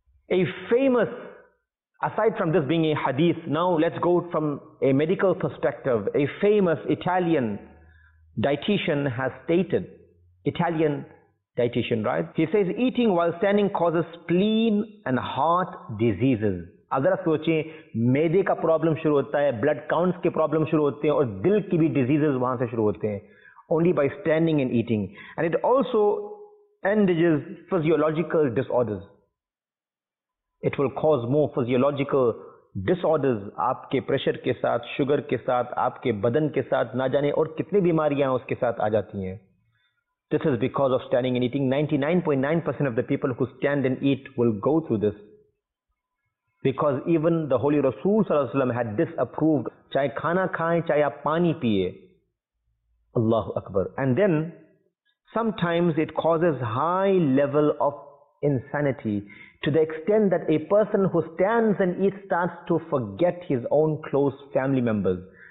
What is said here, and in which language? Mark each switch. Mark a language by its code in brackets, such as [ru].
[en] A famous, aside from this being a hadith, now let's go from a medical perspective. A famous Italian dietitian has stated, Italian dietitian, right? He says, eating while standing causes spleen and heart diseases. [hi] अगर आप सोचें, मेदे का problem शुरू होता है, blood counts के problem शुरू होते हैं और दिल की भी डिजीजेस वहां से शुरू होते हैं, only by standing and eating. [en] And it also endangers physiological disorders. It will cause more physiological disorders. [hi] आपके प्रेशर के साथ, शुगर के साथ, आपके बदन के साथ, ना जाने और कितनी बीमारियां उसके साथ आ जाती हैं. [en] This is because of standing and eating. 99.9% of the people who stand and eat will go through this. Because even the Holy Rasul sallallahu alaihi wasallam had disapproved. [hi] Chahe khana khaye, chahe aap pani piye. Allahu Akbar. [en] And then sometimes it causes high level of insanity to the extent that a person who stands and eats starts to forget his own close family members.